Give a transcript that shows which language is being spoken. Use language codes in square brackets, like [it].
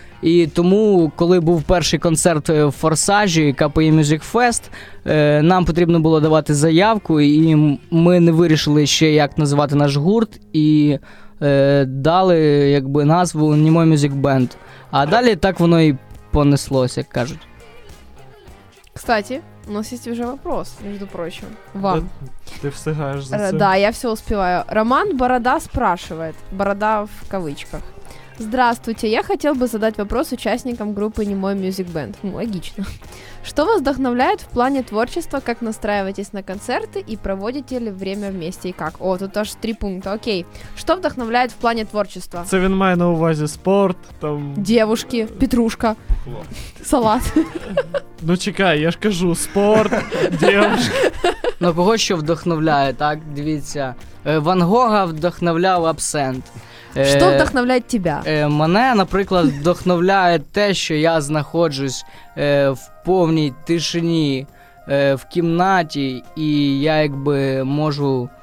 [uk] І тому, коли був перший концерт в Форсажі, KPI Music Fest, нам потрібно було давати заявку, і ми не вирішили ще, як називати наш гурт, і дали, якби, назву Nemo Music Band. А далі так воно і понеслось, як кажуть. Кстати, у нас є вже вопрос, між прочим, вам. Ти встигаєш за це. Да, я все успіваю. [ru] Роман Борода спрашивает, Борода [uk] в кавичках. [ru] Здравствуйте, я хотел бы задать вопрос участникам группы Nemo Music Band. Логично. Что вас вдохновляет в плане творчества, как настраиваетесь на концерты и проводите ли время вместе и как? О, тут аж 3 пункта, окей. Что вдохновляет в плане творчества? [uk] Це він має на увазі спорт, там... [ru] Девушки, петрушка, салат. [uk] Ну чекай, я ж кажу, спорт, девушки. Ну кого що вдохновляє, так, дивіться. Ван Гога вдохновляв абсент. Що вдохновляє тебе? Мене, наприклад, вдохновляє те, що я знаходжусь в повній тишині, в кімнаті, і я якби можу...